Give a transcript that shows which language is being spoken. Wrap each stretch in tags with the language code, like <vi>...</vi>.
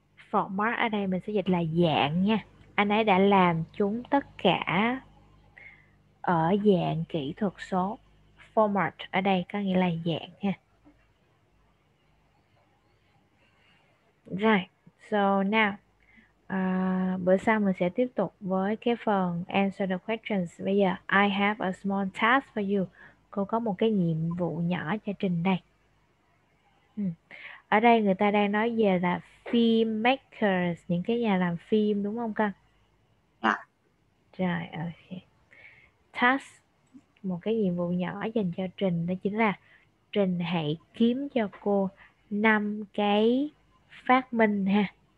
<vi>Format ở đây mình sẽ dịch là dạng nha. Anh ấy đã làm chúng tất cả ở dạng kỹ thuật số. Format ở đây có nghĩa là dạng ha.</vi> <en>Right, so now</en> <vi>bữa sau mình sẽ tiếp tục với cái phần</vi> <en>answer the questions.</en> <vi>Bây giờ</vi> <en>I have a small task for you.</en> <vi>Cô có một cái nhiệm vụ nhỏ cho Trình đây. Ở đây người ta đang nói về là film makers, những cái nhà làm phim đúng không con?</vi> <en>Right, ok.</en> <vi>Task, một cái nhiệm vụ nhỏ dành cho Trình đó chính là Trình hãy kiếm cho cô 5 cái phát minh ha.</vi>